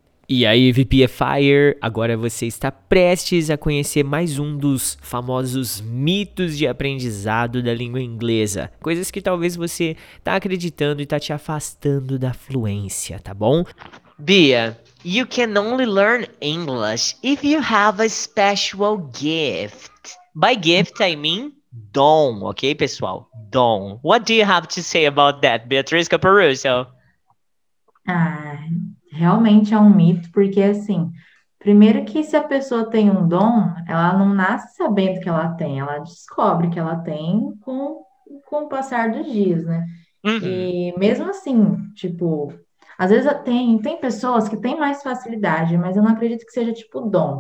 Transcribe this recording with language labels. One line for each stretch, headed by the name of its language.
Portuguese: E aí, VP Fire, agora você está prestes a conhecer mais um dos famosos mitos de aprendizado da língua inglesa. Coisas que talvez você tá acreditando e tá te afastando da fluência, tá bom?
English: Bia, you can only learn English if you have a special gift. By gift, I mean dom,
Portuguese: ok, pessoal? Dom.
English: What do you have to say about that, Beatriz Caparuso?
Portuguese: Realmente é um mito, porque assim, primeiro que se a pessoa tem um dom, ela não nasce sabendo que ela tem, ela descobre que ela tem com o passar dos dias, né? Uhum. E mesmo assim, tipo, às vezes tem pessoas que têm mais facilidade, mas eu não acredito que seja tipo dom.